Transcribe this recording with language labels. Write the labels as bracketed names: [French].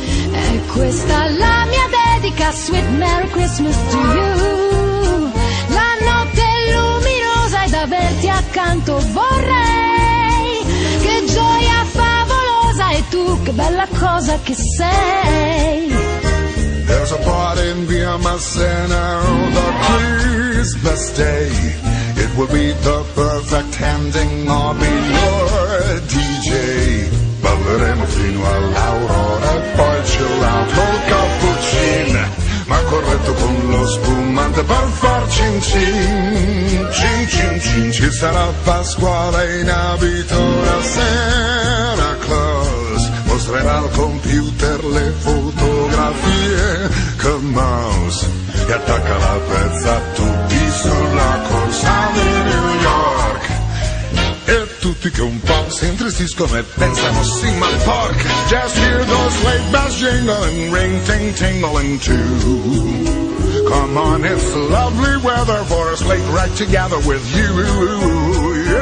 [Italian] È questa la mia dedica, [English] sweet Merry Christmas to you. [Italian] La notte è luminosa ed averti accanto vorrei. Che gioia favolosa e tu che bella cosa che sei. [English] There's a party in Via Massena on the Christmas Day. It will be the perfect ending of the your DJ. [Italian] Balleremo fino all'aurora e poi c'è l'altro cappuccino. Ma corretto con lo spumante per far cin cin. Cin cin cin. Ci sarà Pasquale in abito da Santa Claus. Mostrerà al computer le fotografie con mouse. E attacca la pezza a tutti sulla corsa di New York. E tutti che un po' si intristiscono e pensano sì ma fuck. [English] Just hear those sleigh bells jingling, ring ting tingling too. Come on, it's lovely weather for a sleigh ride together with you.